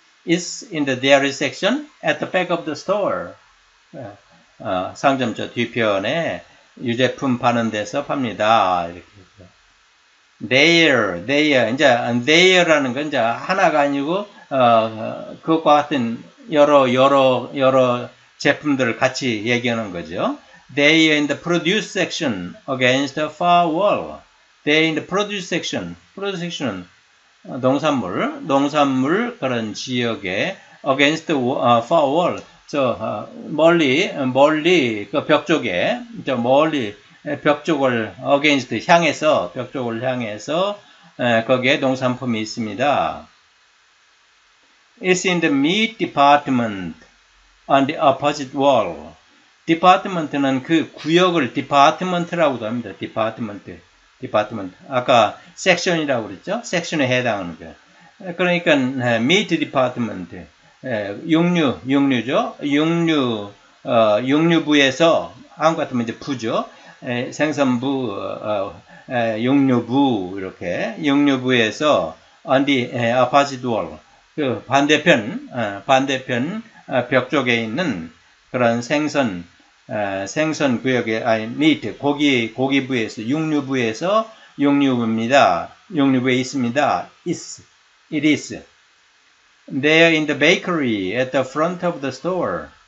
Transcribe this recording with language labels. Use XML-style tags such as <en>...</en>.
<en>Is in the dairy section at the back of the store.</en> <ko>상점 저 뒤편에 유제품 파는 데서 팝니다. 이렇게. There. 이제 there라는 건 이제 하나가 아니고 그것과 같은 여러 제품들을 같이 얘기하는 거죠.</ko> <en>They are in the produce section against the far wall. They are in the produce section. Produce section은</en> <ko>농산물 그런 지역에</ko> <en>against the far wall.</en> <ko>저 멀리 그 벽 쪽에 저 멀리 벽 쪽을 against 향해서 벽 쪽을 향해서 거기에 농산품이 있습니다.</ko> <en>It's in the meat department on the opposite wall.</en> <ko>Department는 그 구역을 department라고도 합니다. Department. 아까 section이라고 그랬죠? Section에 해당하는 거. 그러니까 meat department. 육류죠? 육류부에서 한 것 같으면 이제 부죠. 생선부, 육류부 이렇게 육류부에서</ko> <en>on the opposite wall.</en> <ko>그 반대편 벽 쪽에 있는 그런 생선 구역에 아니 meat 고기부에서 육류부에 있습니다.</ko> <en>It is. They are in the bakery at the front of the store.</en>